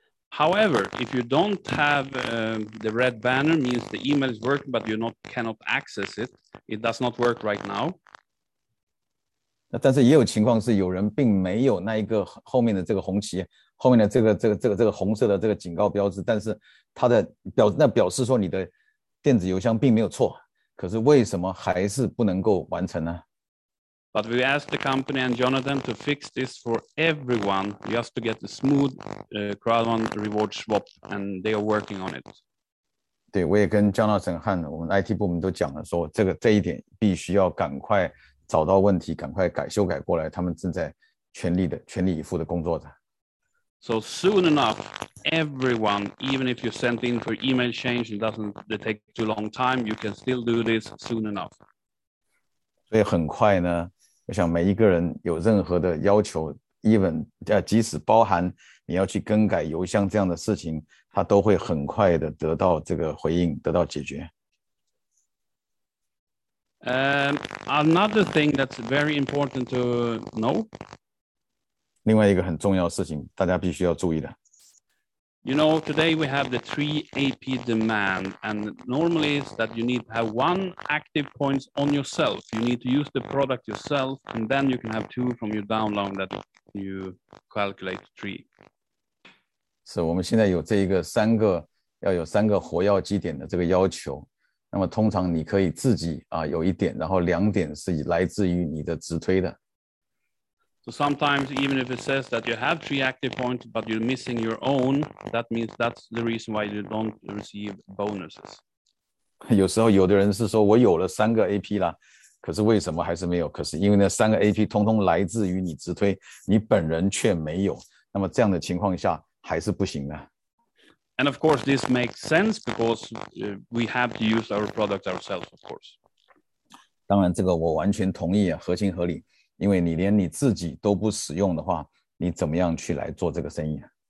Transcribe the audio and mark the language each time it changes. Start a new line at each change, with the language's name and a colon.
English: However, if you don't have the red banner, means the email is working, but you cannot access it. It does not work right now.
Chinese: 但是也有情况是有人并没有那一个后面的这个红旗，后面的这个红色的这个警告标志，但是它的表示说你的电子邮箱并没有错，可是为什么还是不能够完成呢？
English: But we asked the company and Jonathan to fix this for everyone just to get a smooth CrowdOne reward swap, and they are working on it.
Chinese: 对，我也跟 Jonathan 和我们 IT 部门都讲了说，这一点必须要赶快找到问题，赶快修改过来，他们正在全力以赴的工作着。
English: So soon enough, everyone, even if you sent in for email change, it doesn't take too long time, you can still do this soon enough.
Chinese: 所以很快呢，我想每一个人有任何的要求 即使包含你要去更改邮箱这样的事情，他都会很快的得到这个回应，得到解决。
English: Another thing that's very important to know.
Chinese: 另外一个很重要的事情，大家必须要注意的。
English: You know, today we have the 3AP demand, and normally it's that you need to have one active point on yourself. You need to use the product yourself, and then you can have two from your download that you calculate three.
Chinese: So, 我们现在有这一个三个，要有三个活跃基点的这个要求。那么通常你可以自己啊有一点，然后两点是来自于你的直推的。
English: So sometimes, even if it says that you have three active points, but you're missing your own, that means that's the reason why you don't receive bonuses.
Chinese: 有时候有的人是说我有了三个 AP 啦，可是为什么还是没有？可是因为那三个 AP 通通来自于你直推，你本人却没有。那么这样的情况下还是不行的。
English: And of course, this makes sense because we have to use our product ourselves, of course.
Chinese: 当然，这个我完全同意啊，合情合理。因为你连你自己都不使用的话，你怎么样去来做这个生意？